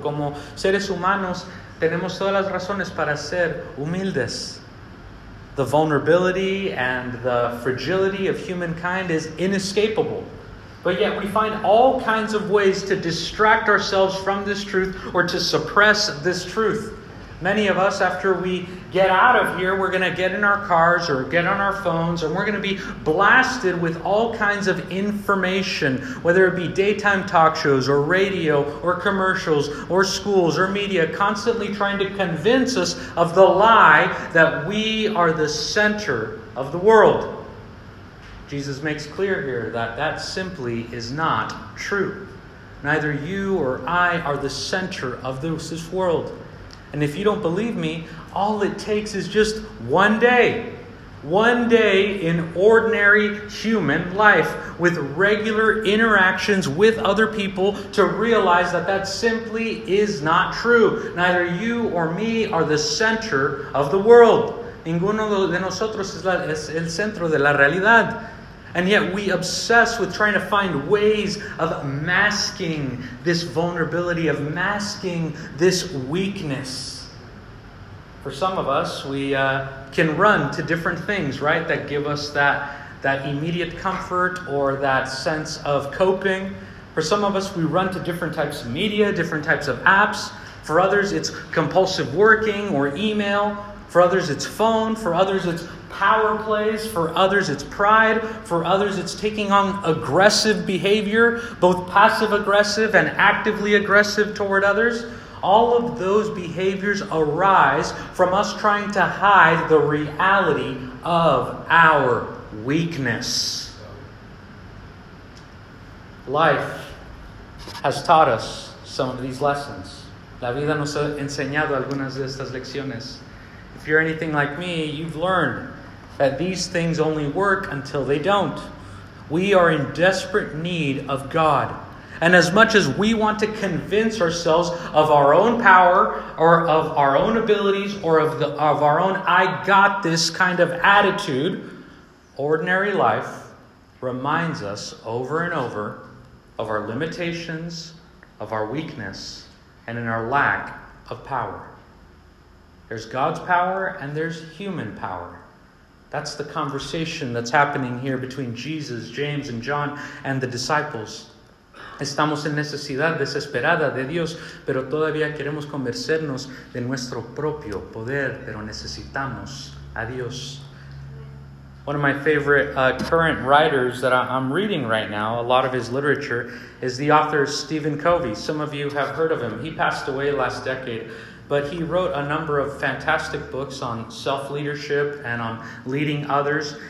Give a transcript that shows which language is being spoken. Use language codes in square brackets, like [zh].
[es] Como seres humanos, tenemos todas las razones para ser humildes. [en] The vulnerability and the fragility of humankind is inescapable. But yet we find all kinds of ways to distract ourselves from this truth or to suppress this truth. Many of us, after we get out of here, we're going to get in our cars or get on our phones, and we're going to be blasted with all kinds of information, whether it be daytime talk shows or radio or commercials or schools or media, constantly trying to convince us of the lie that we are the center of the world. Jesus makes clear here that that simply is not true. Neither you or I are the center of this world. And if you don't believe me, all it takes is just one day in ordinary human life with regular interactions with other people to realize that that simply is not true. Neither you or me are the center of the world. [es] Ninguno de nosotros es el centro de la realidad. [en] And yet we obsess with trying to find ways of masking this vulnerability, of masking this weakness. For some of us, we can run to different things, right, that give us that immediate comfort or that sense of coping. For some of us, we run to different types of media, different types of apps. For others, it's compulsive working or email. For others, it's phone. For others, it's power plays. For others, it's pride. For others, it's taking on aggressive behavior, both passive aggressive and actively aggressive toward others. All of those behaviors arise from us trying to hide the reality of our weakness. Life has taught us some of these lessons. [es] La vida nos ha enseñado algunas de estas lecciones. [en] If you're anything like me, you've learned that these things only work until they don't. We are in desperate need of God. And as much as we want to convince ourselves of our own power or of our own abilities or of our own I got this kind of attitude, ordinary life reminds us over and over of our limitations, of our weakness, and in our lack of power. There's God's power and there's human power. That's the conversation that's happening here between Jesus, James, and John and the disciples. [es] Estamos en necesidad desesperada de Dios, pero todavía queremos convencernos de nuestro propio poder, pero necesitamos a Dios. [en] One of my favorite current writers that I'm reading right now, a lot of his literature, is the author Stephen Covey. Some of you have heard of him. He passed away last decade. But he wrote a number of fantastic books on self-leadership and on leading others.